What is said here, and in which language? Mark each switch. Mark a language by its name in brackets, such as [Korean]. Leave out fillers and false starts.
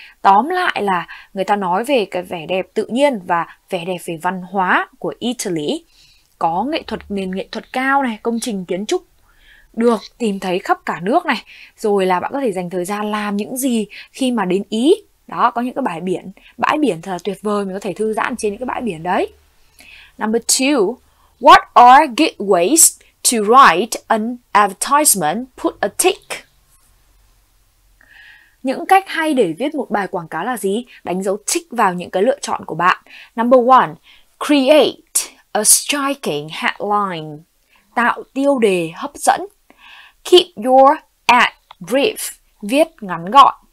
[Vietnamese] Tóm lại là người ta nói về cái vẻ đẹp tự nhiên và vẻ đẹp về văn hóa của Italy. Có nghệ thuật, nền nghệ thuật cao này, công trình kiến trúc được tìm thấy khắp cả nước này. Rồi là bạn có thể dành thời gian làm những gì khi mà đến Ý. Đó, có những cái bãi biển thật là tuyệt vời, mình có thể thư giãn trên những cái bãi biển đấy. [English] Number two, what are gateways to write an advertisement? Put a tick. [Vietnamese] Những cách hay để viết một bài quảng cáo là gì? Đánh dấu tick vào những cái lựa chọn của bạn. [English] Number one, create a striking headline. [Vietnamese] Tạo tiêu đề hấp dẫn. [English] Keep your ad brief. [Vietnamese] Viết ngắn gọn.